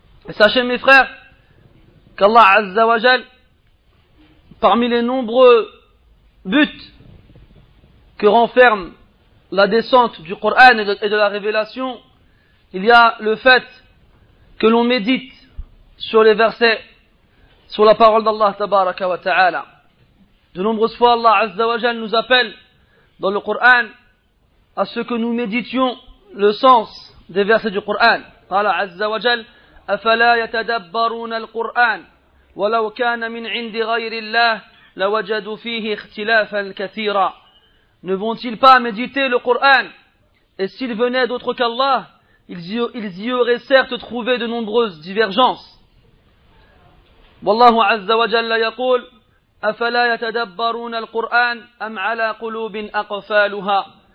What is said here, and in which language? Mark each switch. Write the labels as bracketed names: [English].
[French] Sachez mes frères qu'Allah Azza wa Jal, parmi les nombreux buts que renferme la descente du Coran et de la révélation, il y a le fait que l'on médite sur les versets, sur la parole d'Allah Tabaraka wa Ta'ala. De nombreuses fois, Allah Azza wa Jal nous appelle dans le Coran à ce que nous méditions le sens des versets du Coran. [Arabic] Allah Azza wa Jal, أَفَلَا يَتَدَبَّرُونَ الْقُرْآنَ وَلَوْ كَانَ مِنْ عِنْدِ غَيْرِ اللَّهِ لَوَجَدُوا فِيهِ اخْتِلَافًا كَثِيرًا. [French] Ne vont-ils pas méditer le Coran? Et s'ils venaient d'autre qu'Allah, ils y auraient certes trouvé de nombreuses divergences. [Arabic] وَاللَّهُ عَزَّ وَجَلَّ يَقُولُ أَفَلَا يَتَدَبَّرُونَ الْقُرْآنَ أَمْ عَلَى قُلُوبٍ أَقْفَالُهَا.